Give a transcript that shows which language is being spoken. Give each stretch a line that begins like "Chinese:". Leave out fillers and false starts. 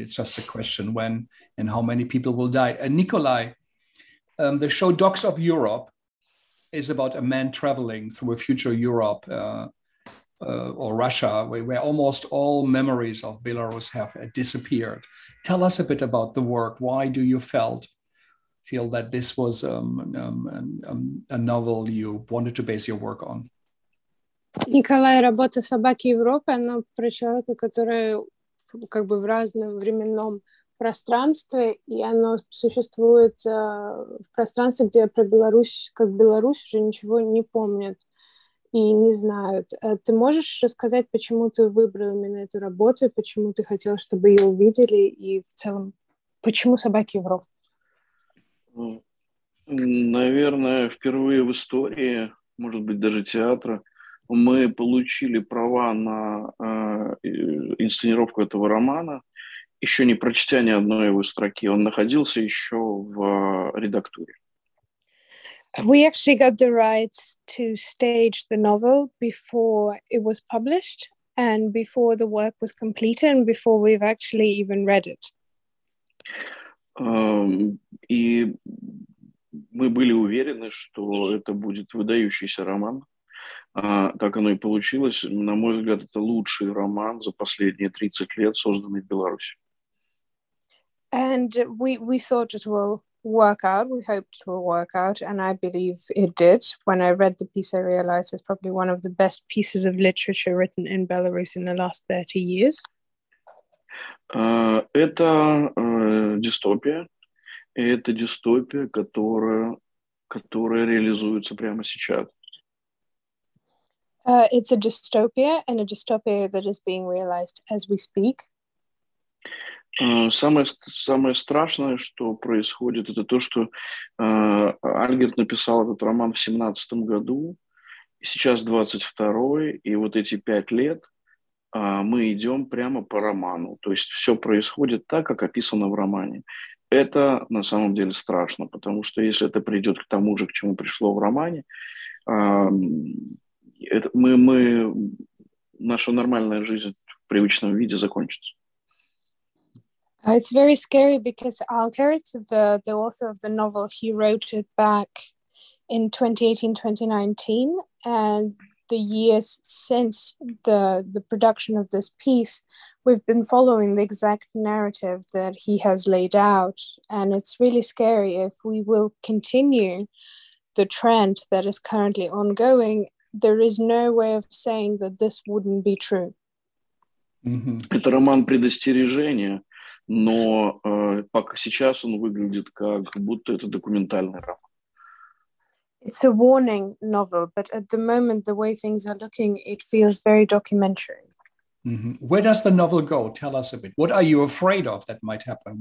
English: It's just a question when and how many people will die. And Nicolai, the show Dogs of Europe is about a man traveling through a future Europe or Russia, where almost all memories of Belarus have disappeared. Tell us a bit about the work. Why do you feel that this was a novel you wanted to base your work on?
Russian: Николай, работа собаки Европы, она про человека, который как бы в разном временном пространстве, и оно существует в пространстве, где про Беларусь, как Беларусь, уже ничего не помнят и не знают. Ты можешь рассказать, почему ты выбрал именно эту работу, и почему ты хотел, чтобы ее увидели, и в целом, почему «Собаки в рот»? Наверное, впервые в истории, может быть, даже театра, мы получили права на инсценировку этого романа, еще не прочтя ни одной его строки. Он находился еще в редактуре.
English: We actually got the rights to stage the novel before it was published and before the work was completed and before we've actually even read it.
Russian: И мы были уверены, что это будет выдающийся роман. Так оно и получилось. На мой взгляд, это лучший роман за последние 30 лет, созданный в Беларуси.
English: And we thought it will work out. We hoped it will work out, and I believe it did. When I read the piece, I realized it's probably one of the best pieces of literature written in Belarus in the last 30 years.
Russian: Это дистопия. Это дистопия, которая реализуется прямо сейчас.
English: It's a dystopia, and a dystopia that is being realized as we speak.
Russian: Самое страшное, что происходит, это то, что Альгерт написал этот роман в 17 году, сейчас 22-й, и вот эти 5 лет мы идем прямо по роману. То есть все происходит так, как описано в романе. Это на самом деле страшно, потому что если это придет к тому же, к чему пришло в романе, наша нормальная жизнь в привычном виде закончится.
English: It's very scary because Alkert, the author of the novel, he wrote it back in 2018-2019, and the years since the production of this piece, we've been following the exact narrative that he has laid out, and it's really scary if we will continue the trend that is currently ongoing. There is no way of saying that this wouldn't be true. Mm-hmm.
Russian: Это роман предостережения. Но пока сейчас он выглядит как будто это документальный роман.
English: It's a warning novel, but at the moment, the way things are looking, it feels very documentary. Mm-hmm. Where does the novel go? Tell us a bit. What are you afraid of that might happen?